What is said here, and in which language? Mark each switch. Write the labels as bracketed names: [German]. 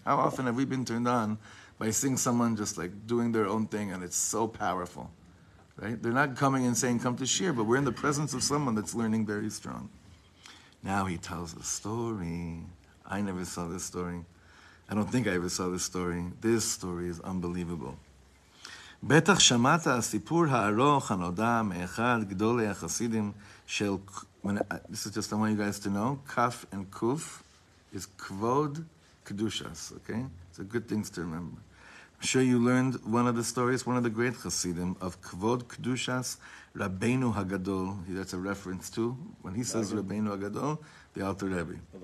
[English] How often have we been turned on by seeing someone just like doing their own thing and it's so powerful, right? They're not coming and saying, come to shir, but we're in the presence of someone that's learning very strong. Now he tells a story. I never saw this story. I don't think I ever saw this story. This story is unbelievable. [Hebrew] בטח שמעת הסיפור הארוך הנודע מאחד גדולי החסידים של... [English] This is just I want you guys to know, Kaf and Kuf is Kvod Kedushas, okay? It's a good thing to remember. I'm sure you learned one of the stories, one of the great Chassidim of Kvod Kedushas, Rabbeinu HaGadol. That's a reference to, when he says Rabbeinu HaGadol, the Alter Rebbe.